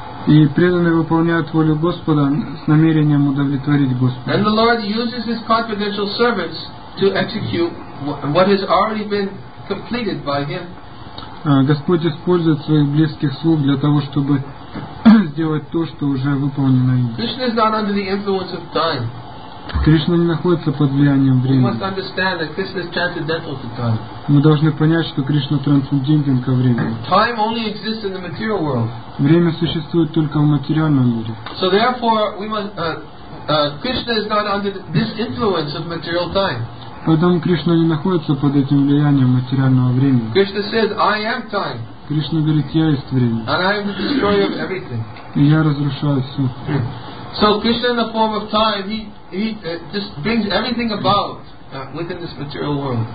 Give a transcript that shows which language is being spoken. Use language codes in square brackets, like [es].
[ru] И преданные выполняют волю Господа с намерением удовлетворить Господа. [en] And the Lord uses His confidential servants to execute what has already been completed by Him. [ru] Господь использует своих близких слуг для того, чтобы сделать то, что уже выполнено им. [en] Krishna is not under the influence of time. [ru] Кришна не находится под влиянием времени. [en] We must understand that Krishna is transcendental to time. [ru] Мы должны понять, что Кришна трансцендентен ко времени. [en] Time only exists in the material world. [ru] Время существует только в материальном мире. [en] So therefore, we must, Krishna is not under this influence of material time. [ru] Поэтому Кришна не находится под этим влиянием материального времени. [en] Krishna says, I am time. [ru] Кришна говорит, я есть время. [en] And I am the destroyer of everything. [ru] И я разрушаю все. [en] So Krishna in the form of time, he just brings everything about within this material world.